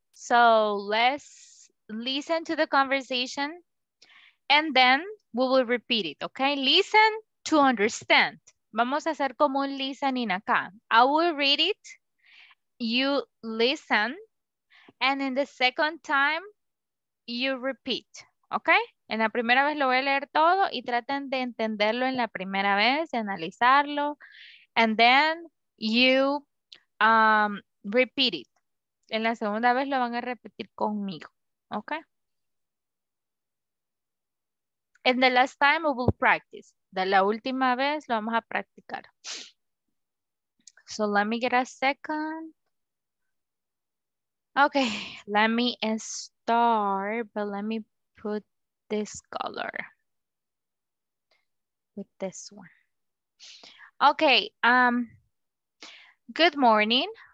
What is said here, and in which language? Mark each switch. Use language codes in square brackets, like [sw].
[en] So, let's listen to the conversation and then we will repeat it, okay? Listen to understand. [es] Vamos a hacer como un listening acá. [en] I will read it. You listen. And in the second time, you repeat, okay? [es] En la primera vez lo voy a leer todo y traten de entenderlo en la primera vez, de analizarlo. [en] And then you repeat it. [es] En la segunda vez lo van a repetir conmigo, okay? [en] And the last time we will practice. [es] De la última vez lo vamos a practicar. [en] So let me get a second. Okay, let me start, but let me put this color with this one. Okay, good morning.